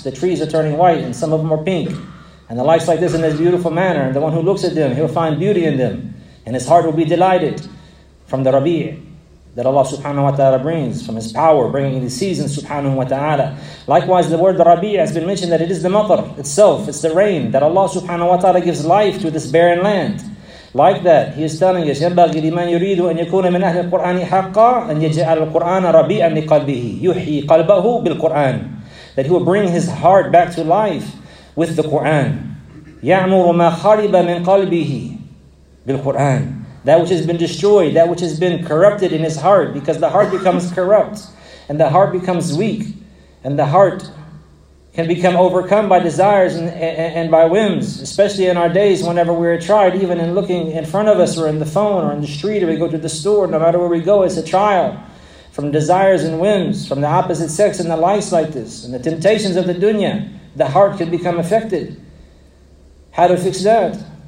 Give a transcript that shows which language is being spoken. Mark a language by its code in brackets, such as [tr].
[en] The trees are turning white, and some of them are pink. And the likes like this in this beautiful manner, and the one who looks at them, he'll find beauty in them. And his heart will be delighted from the rabi' that Allah subhanahu wa ta'ala brings, from His power, bringing the season subhanahu wa ta'ala. Likewise, the word rabi' has been mentioned that it is the matr itself, it's the rain, that Allah subhanahu wa ta'ala gives life to this barren land. Like that, he is telling us, [ar] يَنْبَغِي لِمَنْ يُرِيدُ أَنْ يَكُونَ مِنْ أَهْلِ الْقُرْآنِ حَقًّا أَنْ يَجْعَلَ الْقُرْآنَ رَبِيعًا لِقَلْبِهِ يُحْيِي قَلْبَهُ بِالْقُرْآنِ. [en] That he will bring his heart back to life with the Qur'an. [ar] يَعْمُرُ مَا خَرِبَ مِنْ قَلْبِهِ بِالْقُرْآنِ. [en] That which has been destroyed, that which has been corrupted in his heart, because the heart becomes corrupt, and the heart becomes weak, and the heart can become overcome by desires and by whims, especially in our days whenever we're tried, even in looking in front of us or in the phone or in the street or we go to the store, no matter where we go, it's a trial from desires and whims, from the opposite sex and the likes like this, and the temptations of the dunya, the heart can become affected. How to fix that?